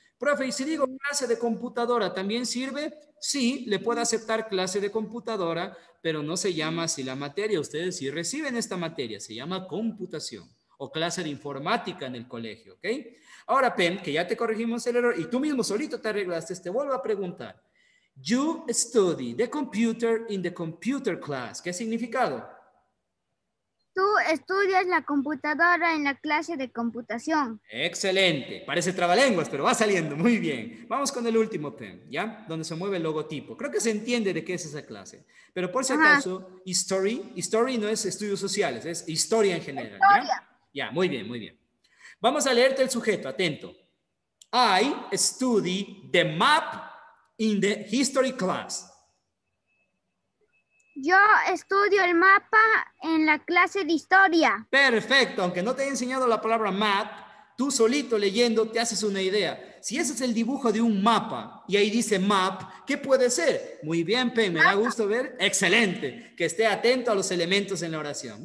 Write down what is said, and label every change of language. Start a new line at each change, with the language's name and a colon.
Spanish: Profe, y si digo clase de computadora, ¿también sirve? Sí, le puedo aceptar clase de computadora, pero no se llama así la materia. Ustedes sí reciben esta materia, se llama computación o clase de informática en el colegio, ¿ok? Ahora, Pen, que ya te corregimos el error y tú mismo solito te arreglaste, te vuelvo a preguntar.
English: You study the computer in the computer class.
Spanish: ¿Qué significado? Tú estudias la computadora en la clase de computación. ¡Excelente! Parece trabalenguas, pero va saliendo. Muy bien. Vamos con el último, Pen, ¿ya? Donde se mueve el logotipo. Creo que se entiende de qué es esa clase. Pero por si acaso, history, history no es estudios sociales, es historia en general. ¿Ya? Ya, muy bien, muy bien. Vamos a leerte el sujeto, atento.
English: I study the map in the history class.
Spanish: Yo estudio el mapa en la clase de historia. Perfecto, aunque no te haya enseñado la palabra map, tú solito leyendo te haces una idea. Si ese es el dibujo de un mapa y ahí dice map, ¿qué puede ser? Muy bien, Pen, me da gusto ver. Excelente, que esté atento a los elementos en la oración.